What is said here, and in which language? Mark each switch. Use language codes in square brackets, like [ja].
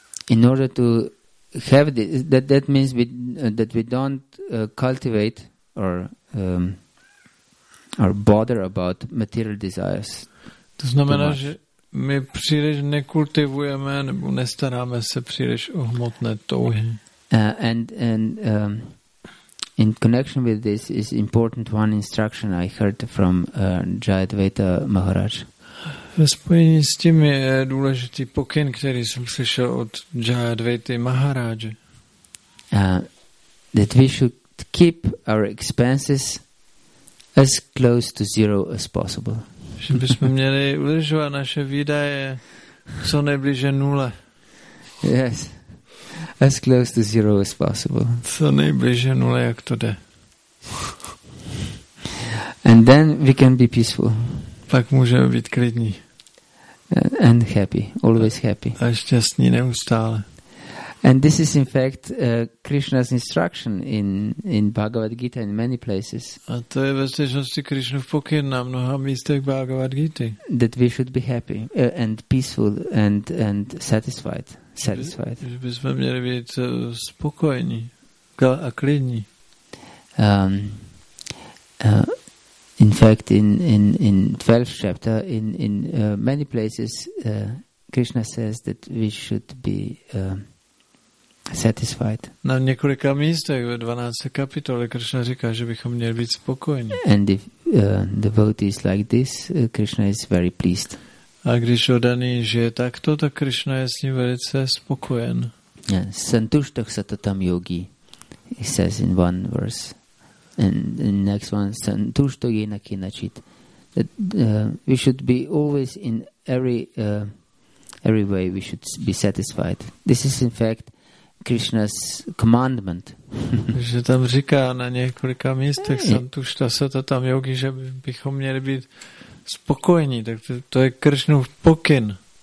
[en] In order to have this, that means we don't cultivate or bother about material desires. [cs] To znamená, že my příliš nekultivujeme nebo nestaráme se příliš o hmotné touhy. [en] In connection with this is important one instruction I heard from Jayadvaita Maharaj. [cs] Ve spojení s tím je důležitý pokyn, který jsem slyšel od Jayadvaity Maharaje. [en] That we should keep our expenses as close to zero as possible. [cs] Že bychom měli udržovat naše výdaje co nejbliže nule. [en] Yes, as close to zero as possible. [cs] Co nejbliže nule, jak to jde. [en] And then we can be peaceful. [cs] Pak můžeme být klidní. [en] And happy, always happy. [cs] A šťastní neustále. [en] And this is in fact Krishna's instruction in Bhagavad Gita in many places. [cs] A to je ve skutečnosti Krishnův pokyn na mnoha místech Bhagavad Gita. [en] That we should be happy and peaceful and satisfied. Satisfied. [cs] Že bychom měli být spokojení a klidní. [en] In fact, in 12th chapter, in many places, Krishna says that we should be satisfied. [cs] Na několika místech ve 12. kapitole Krishna říká, že bychom měli být spokojeni. [en] And if the devotee is like this, Krishna is very pleased. [cs] A když oddaný žije takto, tak Krishna je s ním velice spokojen. [en] Yeah. [sa] Santushtah satatam yogi, [en] he says in one verse. And the next one, [sa] santushto yena kinachit, [en] that we should be always in every way we should be satisfied. This is in fact Krishna's commandment. [cs] Že tam říká na několika místech [sa] santushta satatam yogi, [cs] že bychom měli být spokojení, tak to je Krishnův pokyn.